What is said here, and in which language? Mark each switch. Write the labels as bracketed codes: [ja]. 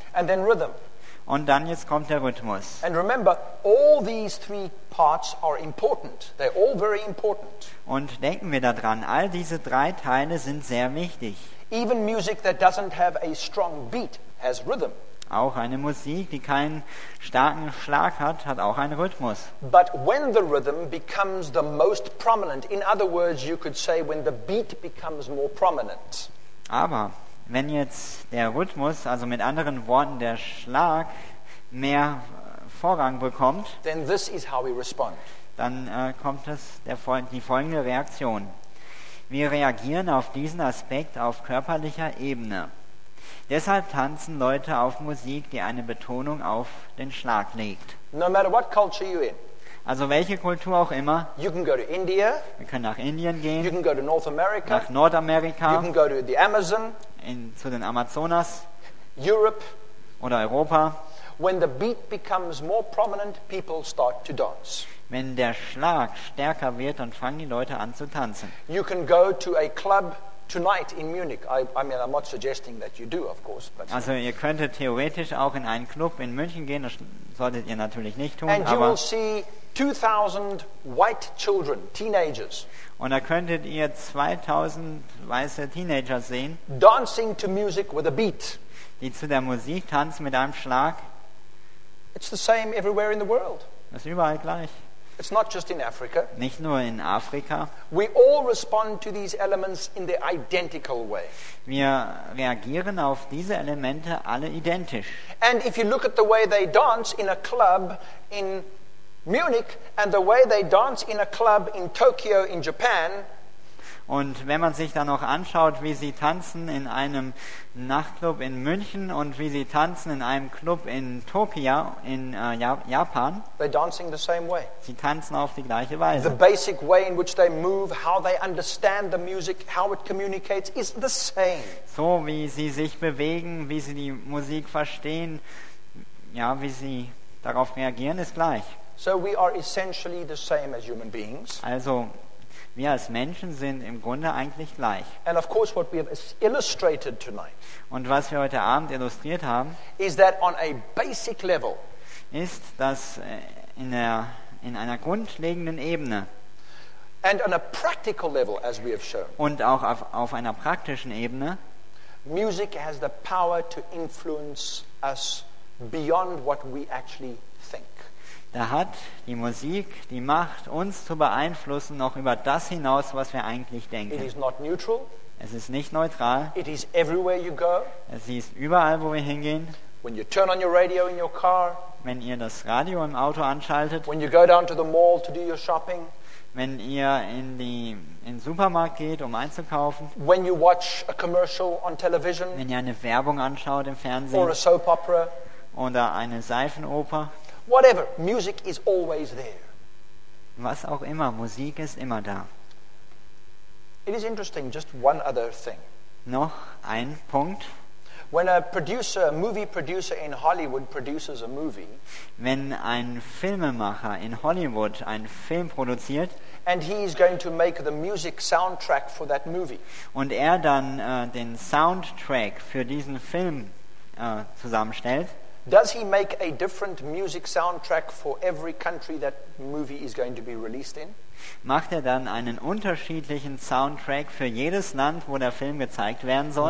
[en] And then rhythm. [de] Und dann jetzt kommt der Rhythmus. [en] And remember, all these three parts are important. They're all very important. [de] Und denken wir daran, all diese drei Teile sind sehr wichtig. [en] Even music that doesn't have a strong beat has rhythm. [de] Auch eine Musik, die keinen starken Schlag hat, hat auch einen Rhythmus. [en] But when the rhythm becomes the most prominent, in other words, you could say when the beat becomes more prominent. [de] Aber wenn jetzt der Rhythmus, also mit anderen Worten der Schlag, mehr Vorrang bekommt, [en] then this is how we respond. [de] Dann kommt es die folgende Reaktion. Wir reagieren auf diesen Aspekt auf körperlicher Ebene. Deshalb tanzen Leute auf Musik, die eine Betonung auf den Schlag legt. [en] No matter what culture you're in. [de] Also welche Kultur auch immer. [en] You can go to India. [de] Wir können nach Indien gehen. [en] You can go to North America. [de] Nach Nordamerika. [en] You can go to the Amazon. [de] Zu den Amazonas. [en] Europe. [de] Oder Europa. [en] When the beat becomes more prominent, people start to dance. [de] Wenn der Schlag stärker wird, dann fangen die Leute an zu tanzen. [en] You can go to a club tonight in Munich. I mean, I'm not suggesting that you do, of course. But [de] also ihr könntet theoretisch auch in einen Club in München gehen. Das solltet ihr natürlich nicht tun. [en] And [de] aber [en] you will see 2,000 white children, teenagers. [de] Und da könntet ihr 2,000 weiße Teenager sehen. [en] Dancing to music with a beat. [de] Die zu der Musik tanzen mit einem Schlag. [en] It's the same everywhere in the world. [de] Das ist überall gleich. [en] It's not just in Africa. [de] Nicht nur in Afrika. [en] We all respond to these elements in the identical way. [de] Wir reagieren auf diese Elemente alle identisch. [en] And if you look at the way they dance in a club in Munich and the way they dance in a club in Tokyo in Japan. [de] Und wenn man sich dann noch anschaut, wie sie tanzen in einem Nachtclub in München und wie sie tanzen in einem Club in Tokio in Japan, [en] they're dancing the same way. [de] Sie tanzen auf die gleiche Weise. [en] The basic way in which they move, how they understand the music, how it communicates, is the same. [de] So wie sie sich bewegen, wie sie die Musik verstehen, ja, wie sie darauf reagieren, ist gleich. [en] So we are essentially the same as human beings. [de] Also wir als Menschen sind im Grunde eigentlich gleich. [en] And of course what we have illustrated tonight, [de] und was wir heute Abend illustriert haben, [en] is that on a basic level, [de] ist, dass in einer grundlegenden Ebene [en] and on a practical level, as we have shown, [de] und auch auf einer praktischen Ebene [en] Musik has the power to influence us beyond what we actually think. [de] Da hat die Musik die Macht, uns zu beeinflussen, noch über das hinaus, was wir eigentlich denken. [en] It is not neutral. [de] Es ist nicht neutral. [en] It is everywhere you go. [de] Es ist überall, wo wir hingehen. [en] When you turn on your radio in your car. [de] Wenn ihr das Radio im Auto anschaltet. [en] When you go down to the mall to do your shopping. [de] Wenn ihr in den Supermarkt geht, um einzukaufen. [en] When you watch a commercial on television. [de] Wenn ihr eine Werbung anschaut im Fernsehen. [en] Or a soap opera. [de] Oder eine Seifenoper. [en] Whatever, music is always there. [de] Was auch immer, Musik ist immer da. [en] It is interesting, just one other thing. [de] Noch ein Punkt. [en] When a producer, a movie producer in Hollywood produces a movie, [de] wenn ein Filmemacher in Hollywood einen Film produziert, [en] and he is going to make the music soundtrack for that movie, [de] und er dann den Soundtrack für diesen Film zusammenstellt, [en] does he make a different music soundtrack for every country that movie is going to be released in? [de] Macht er dann einen unterschiedlichen Soundtrack für jedes Land, wo der Film gezeigt werden soll?